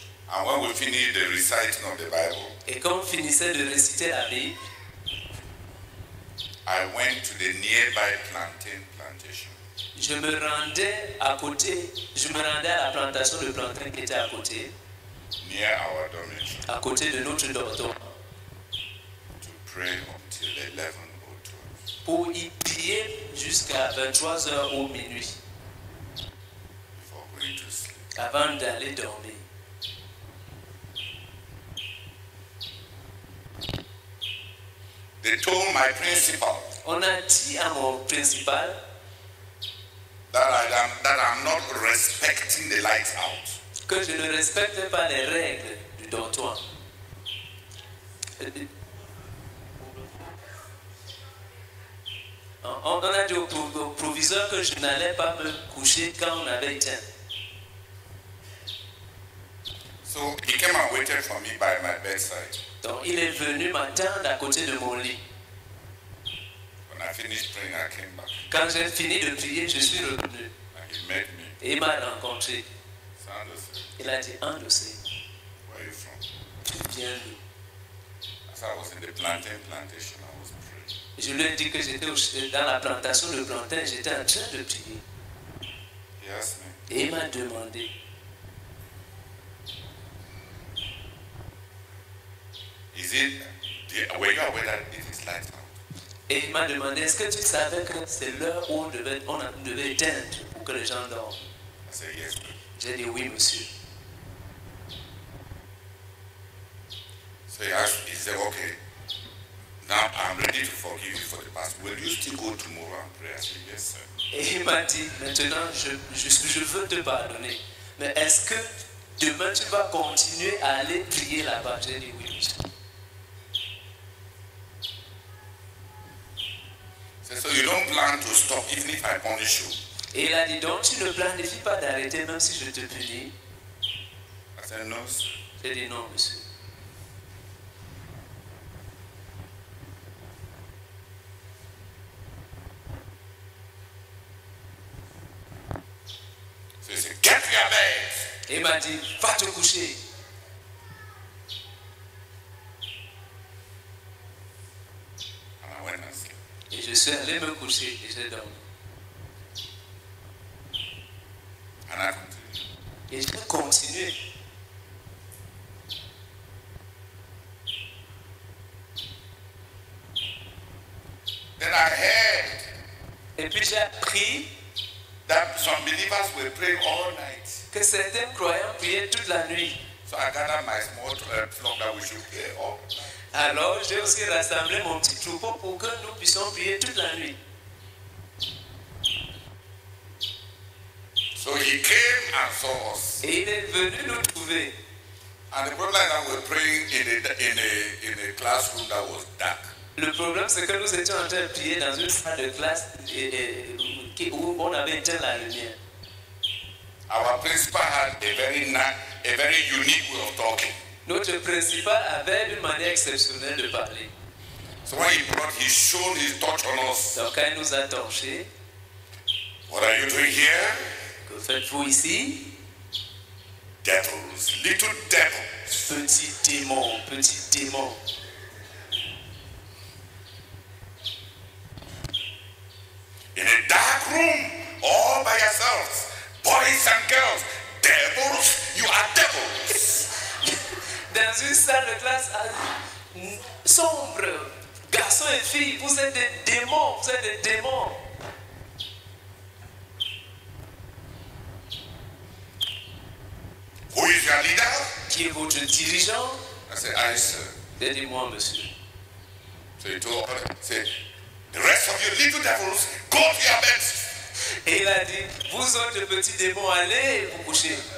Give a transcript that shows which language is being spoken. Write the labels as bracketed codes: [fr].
[en] And when we finished the reciting of the Bible, [fr] et quand on finissait de réciter la Bible, [en] I went to the nearby plantation. [fr] Je me rendais à la plantation de plantain qui était à côté. [en] near our dormitory, [fr] à côté de notre dormitoire, [en] to pray until 11 or 12. [fr] Pour y prier jusqu'à 23h ou minuit, [en] before going to sleep. [fr] Avant d'aller dormir. [en] They told my principal, [fr] on a dit à mon principal [en] that I'm not respecting the lights out. [fr] Que je ne respecte pas les règles du dortoir. On a dit au proviseur que je n'allais pas me coucher quand on avait éteint. [en] So he came and waited for me by my bedside. [fr] Donc il est venu m'attendre à côté de mon lit. [en] When I finished praying, I came back. [fr] Quand j'ai fini de prier, je suis revenu. [en] And he met me. [fr] Et il m'a rencontré. [en] Anderson. [fr] Il a dit, Anderson, [en] where are you from? [fr] Tu viens d'où? [en] As I was in the plantation, I was praying. [fr] Je lui ai dit que j'étais dans la plantation de plantain, j'étais en train de prier. [en] He asked me. [fr] Et il m'a demandé. [en] Is it were you aware that it is light out? [fr] Et il m'a demandé, est-ce que tu savais que c'est l'heure où on devait éteindre pour que les gens dorment? [en] I said yes, please. [fr] J'ai dit oui, monsieur. [en] So he asked, he said, okay. Now I'm ready to forgive you for the past. Will you still go tomorrow and pray? I said, yes, sir. [fr] Et il m'a dit, maintenant je veux te pardonner. Mais est-ce que demain tu vas continuer à aller prier là-bas? J'ai dit oui, monsieur. [en] So you don't plan to stop even if I punish you. [fr] Et il a dit, donc tu ne planifies pas d'arrêter même si je te punis. [en] I said no, sir. [fr] J'ai dit non, monsieur. [en] So he said, get your bed. [fr] Il m'a dit, va te coucher. Je suis allé me coucher et j'ai dormi. [en] And I continue. [fr] Et j'ai continué. [en] Then I heard. [fr] Et puis j'ai appris [en] that some believers will pray all night. [fr] Que certains croyants priaient toute la nuit. [en] So I gathered my small flock that we should pray all night. [fr] Alors, j'ai aussi rassemblé mon petit troupeau pour que nous puissions prier toute la nuit. [en] So he came and saw us. [fr] Et il est venu nous trouver. [en] And the problem is that we're praying in a classroom that was dark. [fr] Le problème, c'est que nous étions en train de prier dans une salle de classe où on avait éteint la lumière. [en] Our principal had a very unique way of talking. [fr] Notre principal avait une manière exceptionnelle de parler. [en] So when he brought, he showed his torch on us. [fr] Donc quand il nous a torché, [en] what are you doing here? [fr] Que faites-vous ici? [en] Devils, little devils. [fr] Petit démon. [en] In a dark room, all by yourselves, boys and girls, devils, you are devils. [fr] Dans une salle de classe sombre, garçons et filles, vous êtes des démons, vous êtes des démons. [en] Who is your leader? [fr] Qui est votre dirigeant? [en] I said, I, sir. [fr] Dites-moi, monsieur. [en] So he told her, say, the rest of you little devils, go to your beds. [fr] Et il a dit, vous autres petits démons, allez vous coucher.